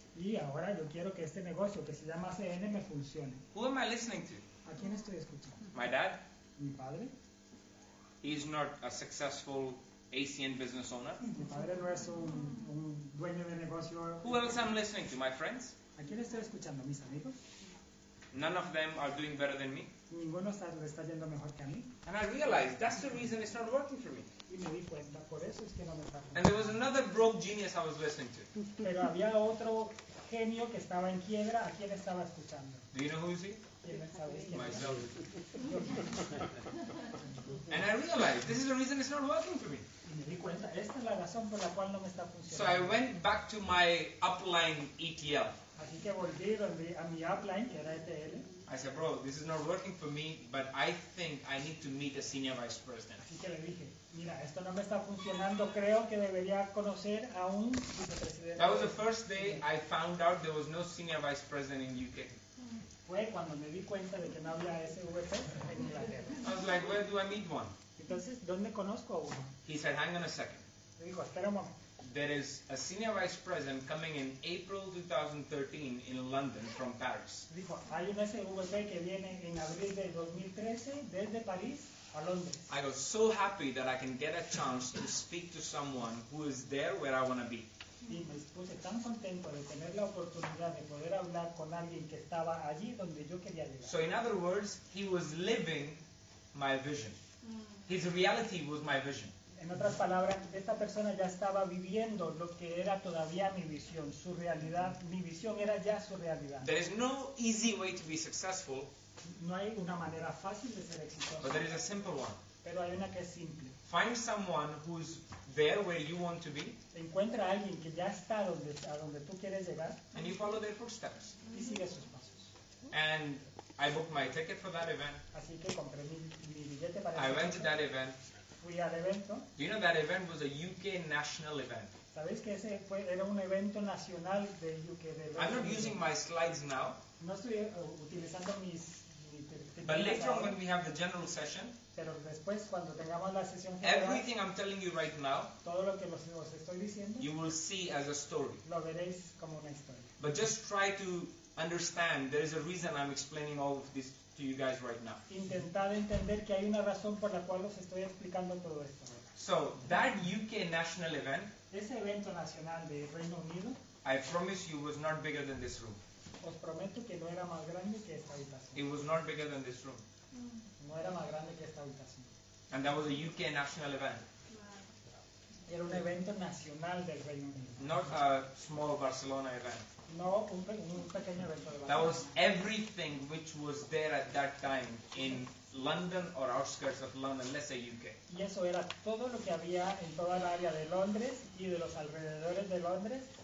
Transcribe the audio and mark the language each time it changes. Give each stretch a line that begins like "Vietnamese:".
Spanish: Y ahora yo quiero que este negocio que se llama CN me funcione.
English: Who am I listening to?
Spanish: ¿A quién estoy escuchando?
English: My dad.
Spanish: ¿Mi padre?
English: He's not a successful ACN business owner.
Spanish: Mi padre no es un dueño de negocio.
English: Who else am I listening to? My friends?
Spanish: ¿A quién estoy escuchando? ¿Mis amigos?
English: None of them are doing better than me.
Spanish: Ninguno está yendo mejor que a mí.
English: And I realized that's the reason it's not working for me.
Spanish: Y me di cuenta, por eso es que no me está funcionando.
English: And there was another broke genius I was listening to.
Spanish: Pero había otro genio que estaba en quiebra, ¿a quién estaba escuchando?
English: Do you know who is he? Myself. And I realized this is the reason it's not working for me.
Spanish: Y me di cuenta, esta es la razón por la cual no me está funcionando.
English: So I went back to my upline ETL.
Spanish: Así que volví a mi upline, que era ETL.
English: I said, bro, this is not working for me, but I think I need to meet a senior vice president.
Spanish: Así que le dije, mira, esto no me está funcionando, creo que debería conocer a un vicepresidente.
English: That was the first day I found out there was no senior vice president in UK.
Spanish: Fue cuando me di cuenta de que no había SVP en Inglaterra.
English: I was like, where do I meet one?
Spanish: Entonces, ¿dónde conozco a uno?
English: He said, hang on a second.
Spanish: Le dijo, espera un momento.
English: There is a senior vice president coming in April 2013 in London from Paris.
Spanish: Dijo, hay un SVP que viene en abril de 2013 desde París a Londres.
English: I was so happy that I can get a chance to speak to someone who is there where I want to be.
Spanish: Y me puse tan contento de tener la oportunidad de poder hablar con alguien que estaba allí donde yo quería llegar.
English: So in other words, he was living my vision. His reality was my vision.
Spanish: En otras palabras, esta persona ya estaba viviendo lo que era todavía mi visión, su realidad. Mi visión era ya su realidad.
English: There is no easy way to be successful.
Spanish: No hay una manera fácil de ser exitoso.
English: But there is a simple one.
Spanish: Pero hay una que es simple.
English: Find someone who's there where you want to be.
Spanish: Encuentra a alguien que ya está donde a donde tú quieres llegar.
English: And you follow their footsteps.
Spanish: Y sigue sus pasos.
English: And I booked my ticket for that event.
Spanish: Así que compré mi billete para.
English: I went to that event.
Spanish: Fui al evento.
English: Do you know that event was a UK national event?
Spanish: ¿Sabéis que ese fue, era un evento nacional de UK?
English: I'm not using my slides now.
Spanish: No estoy utilizando mis.
English: But later on, when we have the general session,
Spanish: pero después, cuando tengamos la sesión general,
English: everything I'm telling you right now,
Spanish: todo lo que os estoy diciendo,
English: you will see as a story.
Spanish: Lo veréis como una historia.
English: But just try to understand there is a reason I'm explaining all of this to you guys right now.
Spanish: Intentad entender que hay una razón por la cual os estoy explicando todo esto.
English: So that UK national event,
Spanish: ese evento nacional de Reino Unido,
English: I promise you was not bigger than this room.
Spanish: Os prometo que no era más grande que esta habitación.
English: It was not bigger than this room.
Spanish: No era más grande que esta habitación.
English: And that was a UK national event.
Spanish: Era un evento nacional del Reino Unido.
English: Not a small Barcelona event.
Spanish: No, un pequeño evento de Barcelona.
English: That was everything which was there at that time in London or outskirts of London, let's say UK.
Spanish: Y eso era todo lo que había en toda el área de Londres y de los alrededores de Londres.